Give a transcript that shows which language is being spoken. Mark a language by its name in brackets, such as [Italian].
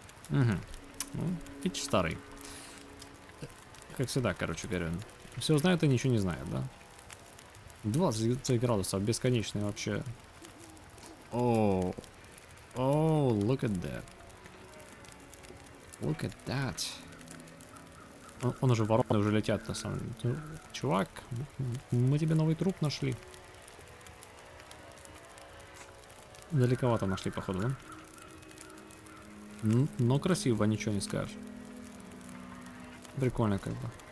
[Russian] Угу. Ну, пич старый. Как всегда, короче, говорю. Все знают и ничего не знают, да? 20 градусов, бесконечные вообще. [English] Оу, look at that. Look at that. [Russian] Он уже, вороны уже летят, на самом деле. Чувак, мы тебе новый труп нашли. Далековато нашли, походу, да? Но красиво, ничего не скажешь. Прикольно, как бы.